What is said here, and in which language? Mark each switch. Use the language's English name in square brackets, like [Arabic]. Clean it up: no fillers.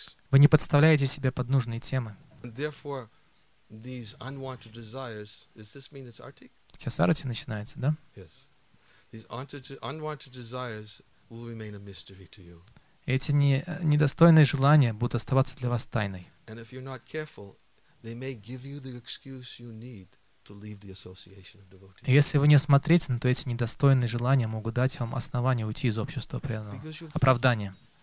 [Russian] Вы не подставляете себя под нужные темы. Сейчас арати начинается, да? [English] Yes. These unwanted desires will remain a mystery to you. [Russian] Эти недостойные желания будут оставаться для вас тайной. [English] Careful, [Russian] если вы не осмотрительны, то эти недостойные желания могут дать вам основание уйти из общества преданного. Оправдание.